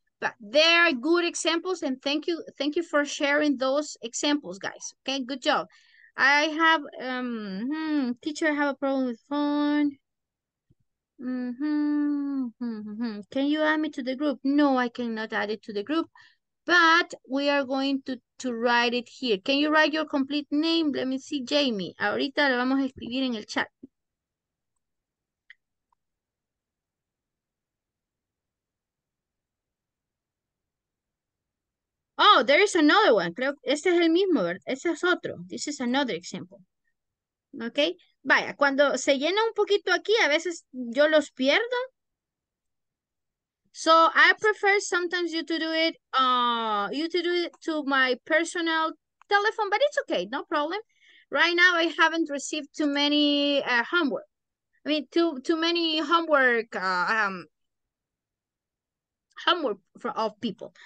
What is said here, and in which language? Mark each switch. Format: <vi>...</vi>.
<en>But there are good examples, and thank you for sharing those examples, guys. Okay, good job. I have teacher. I have a problem with phone. Can you add me to the group? No, I cannot add it to the group. But we are going to write it here. Can you write your complete name? Let me see, Jamie.</en> <es>Ahorita lo vamos a escribir en el chat.</es> <en>Oh, there is another one.</en> <es>Creo que este es el mismo, ¿verdad? Este es otro.</es> <en>This is another example. Okay.</en> <es>Vaya, cuando se llena un poquito aquí, a veces yo los pierdo.</es> <en>So I prefer sometimes you to do it to my personal telephone, but it's okay, no problem. Right now I haven't received too many homework. I mean, too many homework homework of people.</en>